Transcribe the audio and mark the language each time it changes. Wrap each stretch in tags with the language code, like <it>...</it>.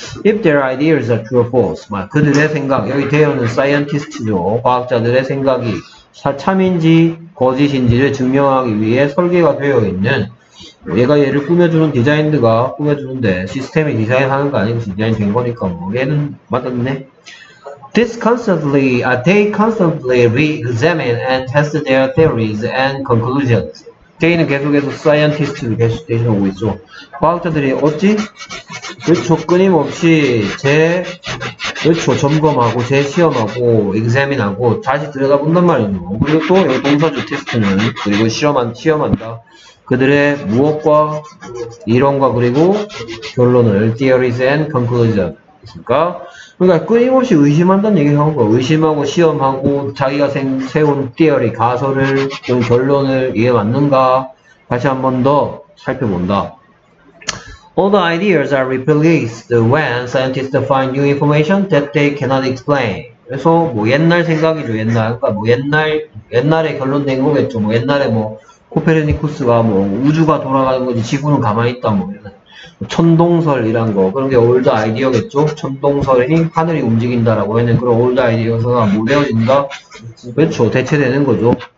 <en>If their ideas are true or false.</en> <ko>그들의 생각. 여기 대여는 scientist죠. 과학자들의 생각이 사참인지 거짓인지를 증명하기 위해 설계가 되어 있는 얘가 얘를 꾸며주는 디자인드가 꾸며주는데 시스템이 디자인하는 거 아니고 디자인 된 거니까 뭐 얘는 맞았네.</ko> <en>This constantly, they constantly re-examine and test their theories and conclusions.</en> <ko>데이는 계속해서 사이언티스트를 계속 대신하고 있죠. 과학자들이 어찌? 그렇죠. 끊임없이 그렇죠. 점검하고, 재시험하고, 엑자민하고, 다시 들여다본단 말이죠. 그리고 또, 이 동사주 테스트는, 그리고 시험한다. 그들의 무엇과, 이론과, 그리고 결론을,</ko> <en>theories and conclusion.</en> <ko>그러니까 끊임없이 의심한다는 얘기를 하는 거야. 의심하고 시험하고 자기가 세운 띠어리, 가설을, 결론을 이게 맞는가 다시 한 번 더 살펴본다.</ko> <en>All the ideas are released when scientists find new information that they cannot explain.</en> <ko>그래서 뭐 옛날 생각이죠. 옛날, 그러니까 뭐 옛날에 결론된 거겠죠. 뭐 옛날에 뭐 코페르니쿠스가 뭐 우주가 돌아가는 거지 지구는 가만히 있다 뭐 이런 천동설이란 거, 그런 게 올드 아이디어겠죠. 천동설이 하늘이 움직인다라고 했는데 그런 올드 아이디어가 모델어진다. 그렇죠. 대체되는 거죠.</ko>